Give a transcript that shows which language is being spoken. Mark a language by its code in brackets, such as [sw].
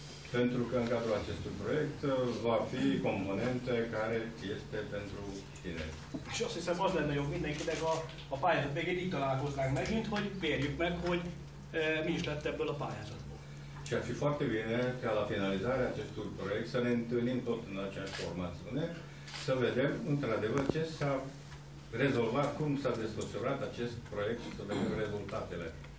[ro] Pentru că în cadrul acestui proiect va fi componente care este pentru tine. Și [hu] azt hiszem, az lenne jobb mindenkinek a pályázat végén itt találkoznánk megint, hogy mérjük meg, hogy mi is lett ebből a pályázatból. [ro] Și ar fi foarte bine ca la finalizarea acestui proiect să ne întâlnim tot în aceeași formațiune, să vedem într-adevăr ce s-a rezolva, cum s-a desfășurat acest proiect și să vedem rezultatele.